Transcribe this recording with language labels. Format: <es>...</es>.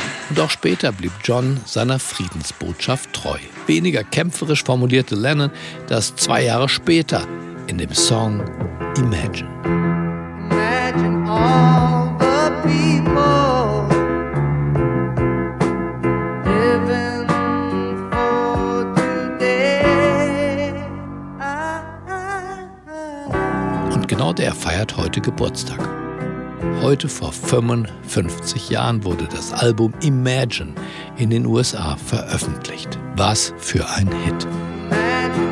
<de>Und auch später blieb John seiner Friedensbotschaft treu. Weniger kämpferisch formulierte Lennon das 2 Jahre später in dem Song Imagine.</de> <en>Imagine all the people living for today.</en> <de>Und genau der feiert heute Geburtstag. Heute vor 55 Jahren wurde das Album Imagine in den USA veröffentlicht. Was für ein Hit! Imagine.</de>